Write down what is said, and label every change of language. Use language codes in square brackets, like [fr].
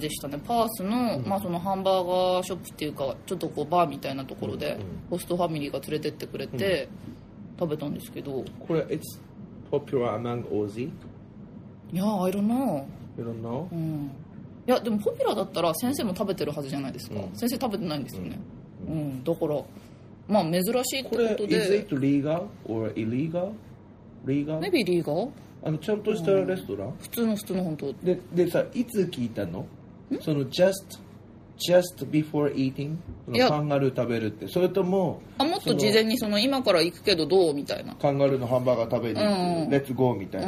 [ja] でしたね、パースの、うん、まあそのハンバーガーショップっていうかちょっとこうバーみたいなところで、うんうん、ホストファミリーが連れてってくれて、うん、食べたんですけど、これ [en] It's popular among Aussie? Yeah, I don't know、 [ja] うん、いやでもポピュラーだったら先生も食べてるはずじゃないですか、うん、先生食べてないんですよね、うんうん、だからまあ珍しいってことで、これ [en] is it legal or illegal? Legal? Maybe legal? [ja] あのちゃんとしたレストラン、うん、普通の本当で、でさ、いつ聞いたの、その [en] just before eating、 [ja] カンガルー食べるって、それともあもっと事前にその今から行くけどどうみたいな、カンガルーのハンバーガー食べに、うんうん、レッツゴーみたいな、